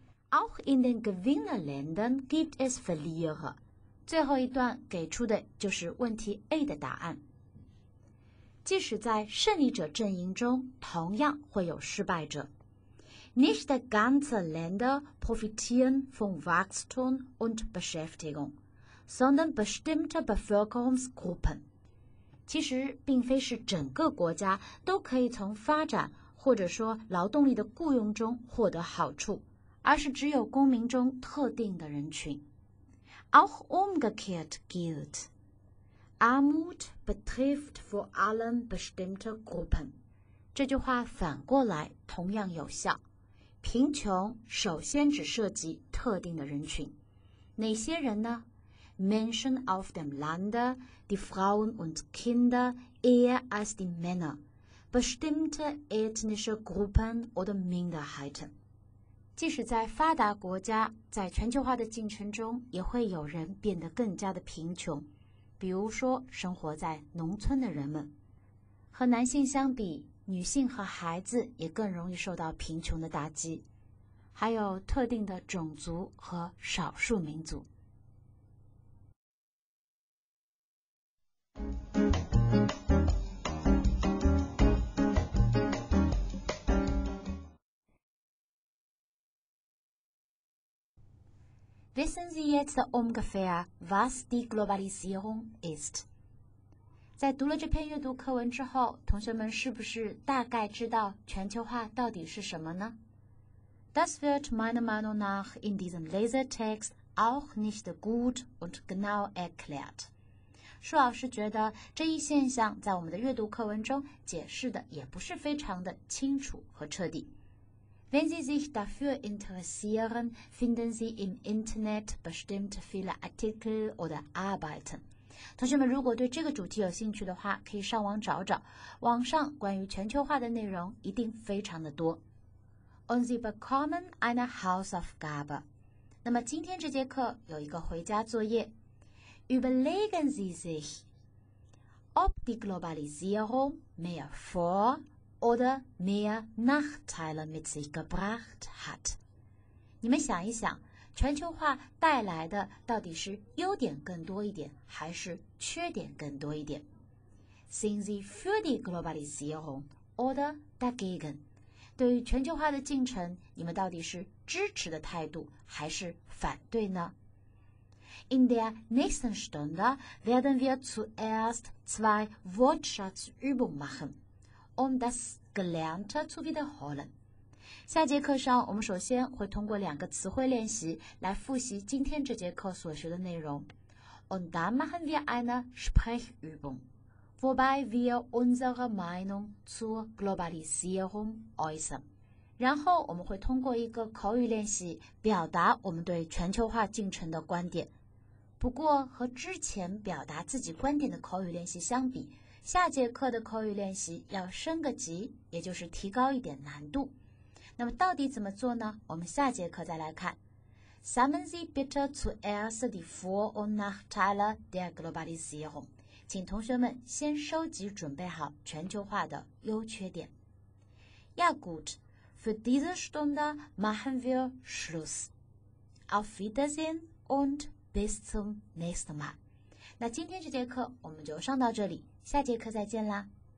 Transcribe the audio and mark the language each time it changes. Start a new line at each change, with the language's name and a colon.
German: Auch in den Gewinnerländern gibt es Verlierer。
Chinese: 最后一段给出的就是问题 A 的答案。即使在胜利者阵营中，同样会有失败者。
German: Nicht ganze Länder profitieren von Wachstum und Beschäftigung, sondern bestimmte Bevölkerungsgruppen.
Chinese: 其实并非是整个国家都可以从发展或者说劳动力的雇佣中获得好处，而是只有公民中特定的人群。
German: Auch umgekehrt gilt. Armut betrifft vor allem bestimmte Gruppen.
Chinese: 这句话反过来同样有效。贫穷首先只涉及特定的人群。哪些人呢？
German: Menschen auf dem Lande, die Frauen und Kinder eher als die Männer, bestimmte ethnische Gruppen oder Minderheiten.
Chinese: 即使在发达国家，在全球化的进程中，也会有人变得更加的贫穷，比如说生活在农村的人们。和男性相比，女性和孩子也更容易受到贫穷的打击，还有特定的种族和少数民族。
German: Wissen Sie jetzt ungefähr, was die Globalisierung ist?
Chinese: 在读了这篇阅读课文之后，同学们是不是大概知道全球化到底是什么呢？
German: Das wird meiner Meinung nach in diesem Lesetext auch nicht gut und genau erklärt.
Chinese: 舒老师觉得这一现象在我们的阅读课文中解释的也不是非常的清楚和彻底。
German: Wenn Sie sich dafür interessieren, finden Sie im Internet bestimmt viele Artikel oder Arbeiten.
Chinese: 同学们如果对这个主题有兴趣的话，可以上网找找，网上关于全球化的内容一定非常的多。
German: Und Sie bekommen eine Hausaufgabe.
Chinese: 那么今天这节课有一个回家作业。
German: Überlegen Sie sich, ob die Globalisierung mehr vor... oder mehr Nachteile mit sich gebracht hat.
Chinese: 你们想一想，全球化带来的到底是优点更多一点，还是缺点更多一点？
German: Sind Sie für die Globalisierung oder dagegen?
Chinese: 对于全球化的进程，你们到底是支持的态度，还是反对呢？
German: In der nächsten Stunde werden wir zuerst zwei Wortschatzübungen machen. Um das Gelernte zu wiederholen.
Chinese: 下节课上，我们首先会通过两个词汇练习来复习今天这节课所学的内容。
German: Und dann machen wir eine Sprechübung, wobei wir unsere Meinung zur Globalisierung äußern.
Chinese: 然后我们会通过一个口语练习表达我们对全球化进程的观点。不过和之前表达自己观点的口语练习相比，下节课的口语练习要升个级，也就是提高一点难度。那么到底怎么做呢？我们下节课再来看。
German: Sammeln Sie bitte zuerst die Vor- und Nachteile der Globalisierung.
Chinese: 请同学们先收集准备好全球化的优缺点。
German: Ja gut, für diese Stunde machen wir Schluss. Auf Wiedersehen und bis zum nächsten Mal.
Chinese: 那今天这节课我们就上到这里。下节课再见啦。